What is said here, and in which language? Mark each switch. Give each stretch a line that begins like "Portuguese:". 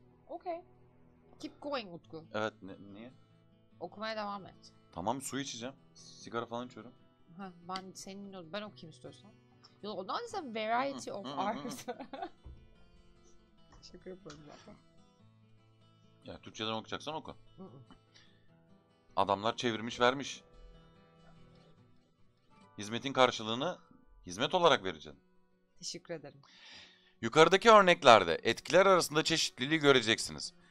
English: Okay. Keep going Utku.
Turkish: Evet, niye? Okumaya devam et. Tamam, su içeceğim. Sigara falan içiyorum. Heh, ben senin, ben okuyayım istiyorsan.
English: You'll notice a variety of art.
Turkish: Şaka yapıyorum zaten. Ya Türkçeden okuyacaksan oku. Adamlar çevirmiş vermiş. Hizmetin karşılığını hizmet olarak vereceksin. Teşekkür ederim. Yukarıdaki örneklerde etkiler arasında çeşitliliği göreceksiniz.